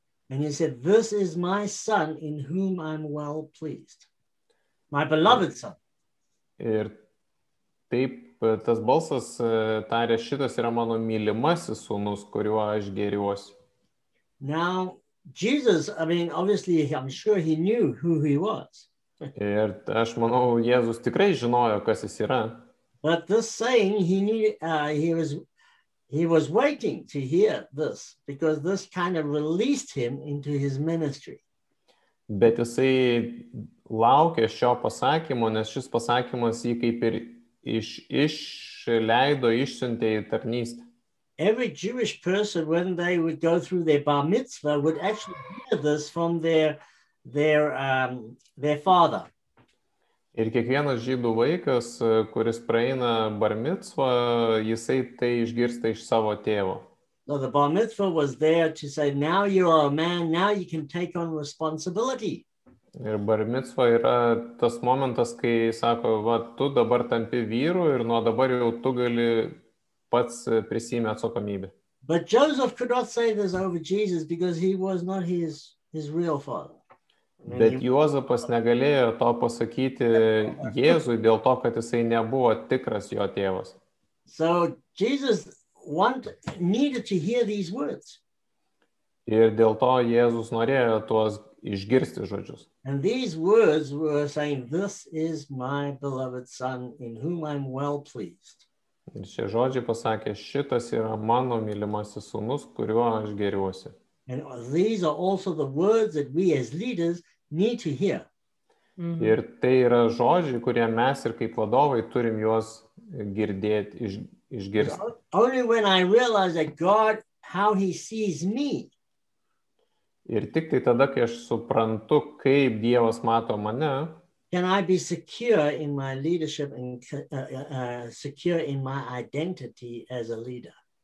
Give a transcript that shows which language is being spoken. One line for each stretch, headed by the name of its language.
English: And he said, this is my son in whom I'm well pleased. My beloved son.
Lithuanian: Ir taip tas balsas tarė, šitas yra mano mylimasis sūnus, kuriuo aš gėriuosi.
English: Now, Jesus, I mean, obviously, I'm sure he knew who he was.
Lithuanian: Ir aš manau, Jėzus tikrai žinojo, kas jis yra.
English: But this saying, he was waiting to hear this, because this kind of released him into his ministry.
Lithuanian: Bet jisai laukė šio pasakymo, nes šis pasakymas jį kaip ir išleido, išsiuntė į tarnystę.
English: Every Jewish person, when they would go through their bar mitzvah, would actually hear this from their father.
Lithuanian: Ir kiekvienas žydų vaikas, kuris praeina bar mitzvą, jisai tai išgirsta iš savo tėvo.
English: So the bar mitzvah was there to say, now you are a man, now you can take on responsibility.
Lithuanian: Ir bar mitzvah yra tas momentas, kai sako, va, tu dabar tampi vyru ir nuo dabar jau tu gali pats prisijimė atsakomybę.
English: But Joseph could not say this over Jesus because he was not his real father.
Lithuanian: Bet Juozapas negalėjo to pasakyti Jėzui dėl to, kad jisai nebuvo tikras jo tėvas.
English: So Jesus needed to hear these words.
Lithuanian: Ir dėl to Jėzus norėjo tuos išgirsti žodžius.
English: And these words were saying, this is my beloved son in whom I'm well pleased.
Lithuanian: Ir šie žodžiai pasakė, šitas yra mano mylimasis sūnus, kuriuo aš gėriuosi.
English: And these are also the words that we as leaders need to hear.
Lithuanian: Ir tai yra žodžiai, kurie mes ir kaip vadovai turim juos girdėti, išgirsti.
English: Only when I realize that God, how he sees me.
Lithuanian: Ir tik tai tada, kai aš suprantu, kaip Dievas mato mane,
English: can I be secure in my leadership and secure in my identity as a leader?